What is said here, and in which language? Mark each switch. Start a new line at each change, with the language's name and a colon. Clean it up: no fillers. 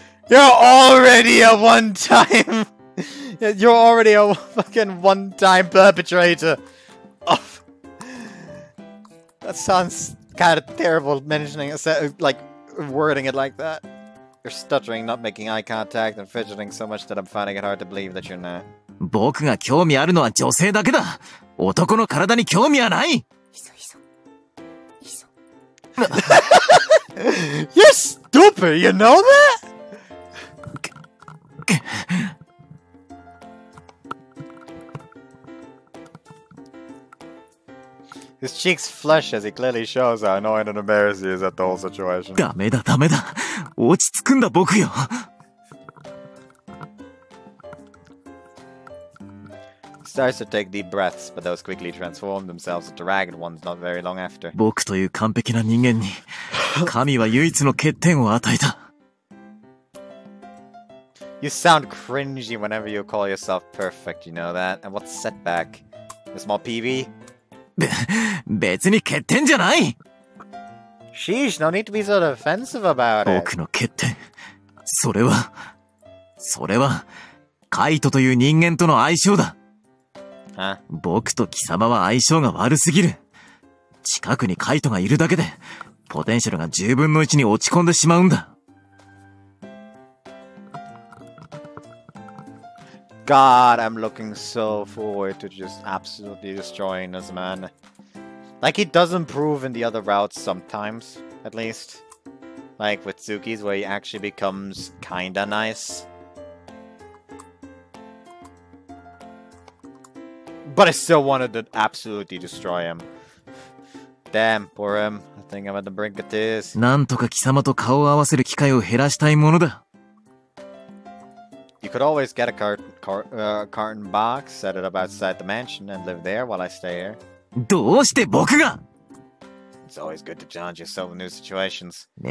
English: You're already a one-time... You're already a fucking one-time perpetrator. Oh. That sounds kind of terrible, mentioning it, like, wording it like that. You're stuttering, not making eye contact, and fidgeting so much that I'm finding it hard to believe that you're not.
Japanese: 僕が興味あるのは女性だけだ! 男の体に興味はない!
English: You're stupid, you know that? His cheeks flush as he clearly shows how annoyed and embarrassed he is at the whole situation.
Japanese: ダメだダメだ。落ち着くんだ僕よ。
English: He starts to take deep breaths, but those quickly transform themselves into ragged ones not very long after.
Japanese: 僕という完璧な人間に神は唯一の欠点を与えた。
English: You sound cringy whenever you call yourself perfect, you know that? And what's setback? A small PB?
Japanese: 別に欠点じゃない!
English: Sheesh, no need to be so defensive about it.
Japanese: 僕の欠点、それは… それは… カイトという人間との相性だ! Huh? 僕と貴様は相性が悪すぎる!近くにカイトがいるだけで、 ポテンシャルが10分の1に落ち込んでしまうんだ!
English: God, I'm looking so forward to just absolutely destroying this man. Like, he does improve in the other routes sometimes, at least. Like, with Tsuki's, where he actually becomes kinda nice. But I still wanted to absolutely destroy him. Damn, poor him. I think I'm at the brink of tears.
Japanese: なんとか貴様と顔を合わせる機会を減らしたいものだ。
English: You could always get a carton box, set it up outside the mansion, and live there while I stay here.
Japanese: どうして僕が?
English: It's always good to challenge yourself in new situations.